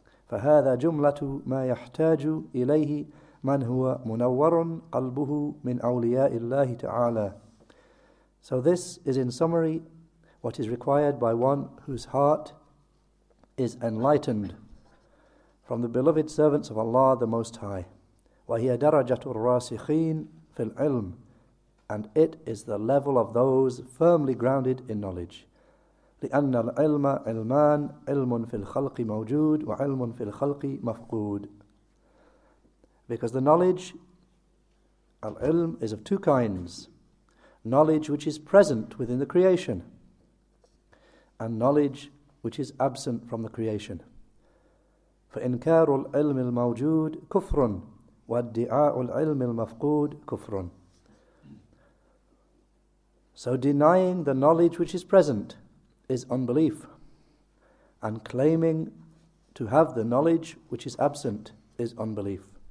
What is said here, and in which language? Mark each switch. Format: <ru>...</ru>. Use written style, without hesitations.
<en>فَهَذَا جُمْلَةُ مَا يَحْتَاجُ إِلَيْهِ مَنْ هُوَ مُنَوَّرٌ قَلْبُهُ مِنْ أَوْلِيَاءِ اللَّهِ تَعَالَى So this is in summary what is required by one whose heart is enlightened from the beloved servants of Allah the Most High. وَهِيَ دَرَجَةُ الرَّاسِخِينَ فِي الْعِلْمِ And it is the level of those firmly grounded in knowledge.</en> <ar>لِأَنَّ الْعِلْمَ عِلْمَانِ عِلْمٌ فِي الْخَلْقِ مَوْجُودٌ وَعِلْمٌ فِي الْخَلْقِ مَفْقُودٌ Because the knowledge, al-ilm, is of two kinds.</ar> <en>Knowledge which is present within the creation and knowledge which is absent from the creation. فَإِنْكَارُ الْعِلْمِ الْمَوْجُودِ كُفْرٌ وَالدِّعَاءُ الْعِلْمِ الْمَفْقُودِ كُفْرٌ So denying the knowledge which is present is unbelief and claiming to have the knowledge which is absent is unbelief.</en>